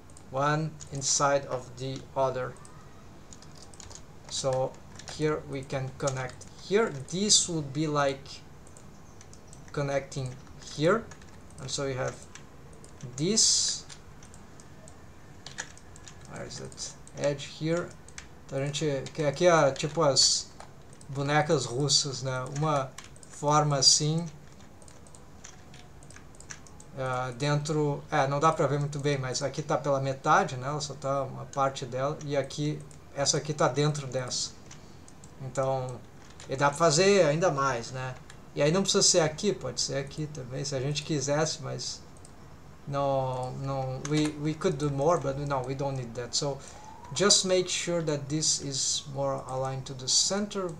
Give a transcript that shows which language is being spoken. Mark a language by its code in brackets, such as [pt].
[en] One inside of the other. So here we can connect here. This would be like connecting here, and so we have this. Where is that edge here? [pt] Então a gente que aqui é tipo as bonecas russas, né? Uma forma assim dentro. É, não dá pra ver muito bem, mas aqui tá pela metade, né? Ela só tá uma parte dela. E aqui, essa aqui tá dentro dessa. Então, e dá pra fazer ainda mais, né? E aí não precisa ser aqui, pode ser aqui também, se a gente quisesse, mas. [en] No, we could do more, but no, we don't need that. So just make sure that this is more aligned to the center.